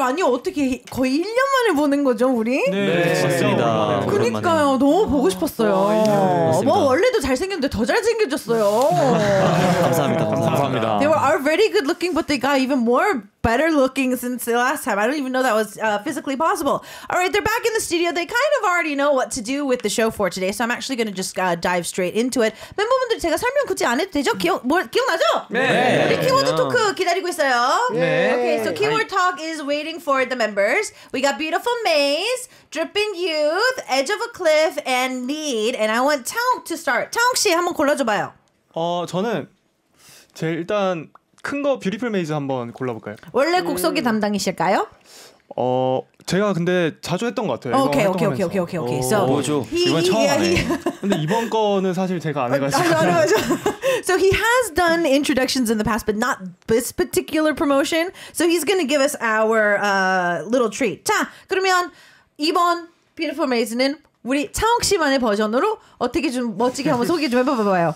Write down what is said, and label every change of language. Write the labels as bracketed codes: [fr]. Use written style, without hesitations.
[ko] 아니 어떻게 거의 1년 만에 보는 거죠 우리? 네, 맞습니다. 네. 그러니까요. 너무 보고 싶었어요. 아, 뭐 원래도 잘생겼는데 더 잘생겨졌어요. 감사합니다. 감사합니다. [en] They were already good looking, but they got even more better looking since the last time. I don't even know that was physically possible. All right, they're back in the studio. They kind of already know what to do with the show for today, so I'm actually going to just dive straight into it. [ko] 멤버분들 제가 설명 굳이 안 해도 되죠? 기억나죠? 네. 우리 키워드 토크 기다리고 있어요. 네. [en] Okay, so keyword talk is waiting for the members. We got Beautiful Maze, Dripping Youth, Edge of a Cliff, and Need. And I want Taeong to start. Taeong [ko] 씨 한번 골라줘봐요. 저는 제 일단 큰 거 뷰티풀 메이즈 한번 골라볼까요? 원래 곡 소개 담당이실까요? 제가 근데 자주 했던 것 같아요. 오케이. So 뭐죠? 이번 처음이에요. 근데 이번 거는 사실 제가 안 해가지고. [en] So he has done introductions in the past, but not this particular promotion. So he's gonna give us our little treat. [ko] 자, 그러면 이번 뷰티풀 메이즈는 우리 창욱 씨만의 버전으로 어떻게 좀 멋지게 한번 소개 좀 해봐봐요.